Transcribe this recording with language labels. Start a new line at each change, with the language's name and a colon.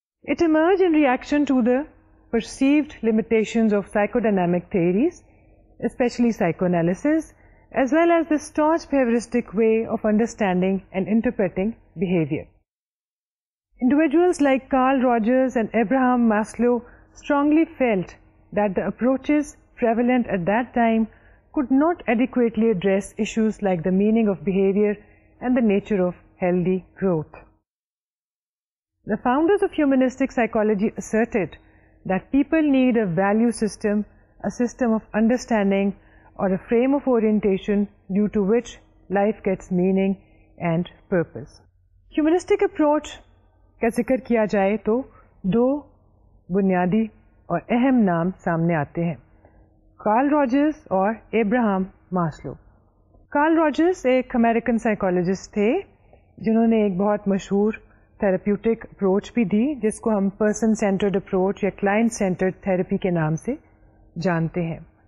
English: It emerge in reaction to the perceived limitations of psychodynamic theories especially psychoanalysis as well as the staunch behaviourist way of understanding and interpreting behaviour Individuals like Carl Rogers and Abraham Maslow strongly felt that the approaches prevalent at that time could not adequately address issues like the meaning of behavior and the nature of healthy growth. The founders of humanistic psychology asserted that people need a value system, a system of understanding, or a frame of orientation due to which life gets meaning and purpose.
Urdu: Humanistic approach کا ذکر کیا جائے تو دو بنیادی اور اہم نام سامنے آتے ہیں کارل روجرز اور ابراہم ماسلو کارل روجرز ایک امریکن سائیکالوجسٹ تھے جنہوں نے ایک بہت مشہور تھراپیوٹک اپروچ بھی دی جس کو ہم پرسن سینٹرڈ اپروچ یا کلائنٹ سینٹرڈ تھراپی کے نام سے جانتے ہیں